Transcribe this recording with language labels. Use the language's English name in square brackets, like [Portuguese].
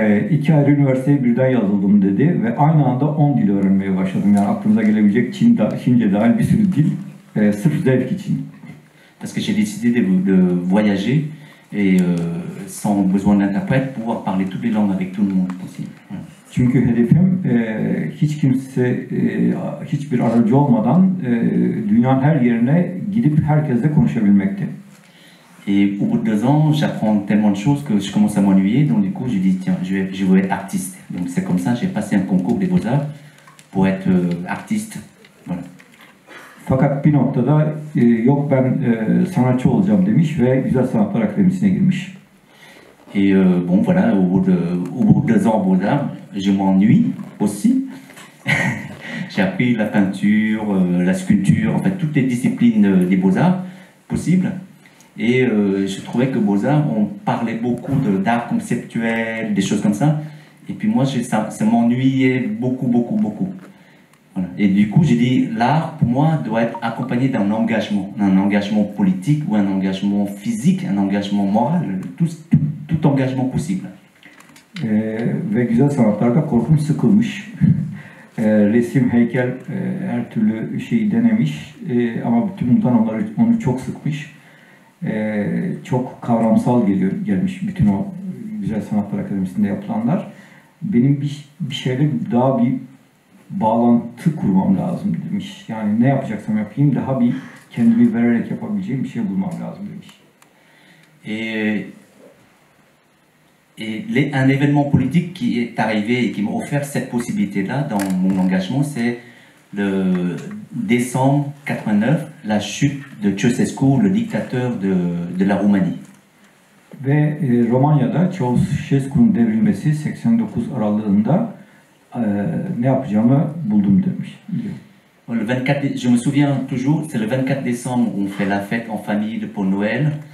[Turkish] İki ayrı üniversiteye birden yazıldım dedi ve aynı anda 10 dil öğrenmeye başladım. Yani aklımıza gelebilecek Çin, Hince dahil bir sürü dil, sırf zevk için. [French] Parce que j'ai décidé de voyager et sans besoin d'interprète, pouvoir parler toutes les langues avec tout le monde possible. [Turkish] Çünkü hedefim hiç kimse hiçbir aracı olmadan dünyanın her yerine gidip herkesle konuşabilmekti. [French] Et au bout de 2 ans, j'apprends tellement de choses que je commence à m'ennuyer, donc du coup, je dis tiens, je veux être artiste. Donc c'est comme ça, j'ai passé un concours des beaux-arts pour être artiste. Voilà. [Turkish] Fakat bir noktada yok ben sanatçı olacağım demiş ve Güzel Sanatlar Akademisi'ne girmiş. [French] Et bon voilà, au bout de 2 ans beaux-arts, je m'ennuie aussi. J'ai appris la peinture, la sculpture, en fait toutes les disciplines des beaux-arts possibles. Et je trouvais que Beaux-Arts, on parlait beaucoup d'art conceptuel, des choses comme ça. Et puis moi, ça m'ennuyait beaucoup, beaucoup, beaucoup. Voilà. Et du coup, j'ai dit, l'art, pour moi, doit être accompagné d'un engagement politique ou un engagement physique, un engagement moral, tout engagement possible. [Turkish] Ve güzel sanatlarda korkunç sıkılmış. Resim, heykel, her türlü şeyi denemiş. Ama bütün bundan onu çok sıkmış. Çok kavramsal gelmiş bütün o Güzel Sanatlar Akademisi'nde yapılanlar. Benim bir şeyle daha bir bağlantı kurmam lazım demiş. Yani ne yapacaksam yapayım daha bir kendimi vererek yapabileceğim bir şey bulmam lazım demiş. [French] Et un événement politique qui est arrivé et qui m'a offert cette possibilité-là dans mon engagement, c'est le décembre 89, la chute de Ceausescu, le dictateur de la Roumanie. [Turkish] Ve Romanya'da Ceausescu'nun devrilmesi 89 aralığında ne yapacağımı buldum demiş. [French] Le 24, je me souviens toujours, c'est le 24 décembre où on fait la fête en famille pour Noël.